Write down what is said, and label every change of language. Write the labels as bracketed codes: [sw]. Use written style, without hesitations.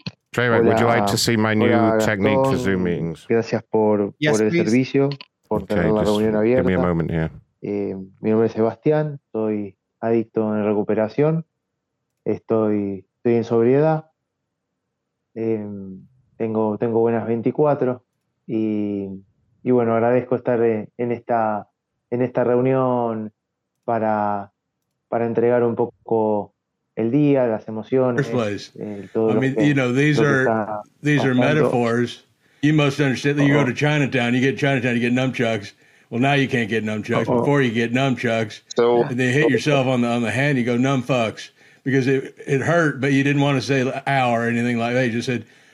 [en] Trevor, would you like to see my new technique for Zoom meetings? [es] Gracias por el servicio, por tener la reunión abierta. [en] Give me a moment here. [es] Mi nombre es Sebastián. Soy adicto en recuperación. Estoy en sobriedad. Tengo buenas 24 y bueno, agradezco estar en esta reunión. Para entregar un poco el día, las emociones. [en] These are metaphors. You must understand that you go to Chinatown, you get Chinatown, you get nunchucks. Well, now you can't get nunchucks. Uh-oh. Before you get nunchucks, so and they hit yourself on the hand. You go numb fucks because it hurt, but you didn't want to say ow or anything like that. You just said.